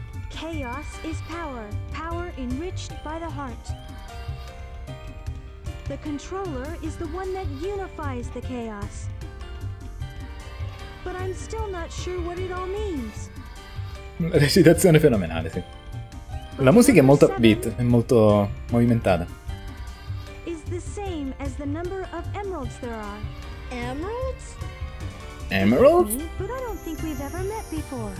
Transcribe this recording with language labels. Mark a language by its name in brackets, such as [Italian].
[English] Chaos is power, power enriched by the heart. The controller is the one that unifies the chaos. But I'm still not sure what it all means. [Italian] Recitazione fenomenale, sì. La musica è molto upbeat, è molto movimentata. [English] Is the same as the number of emeralds there are. Emeralds? Emeralds? But I don't think we've ever met before.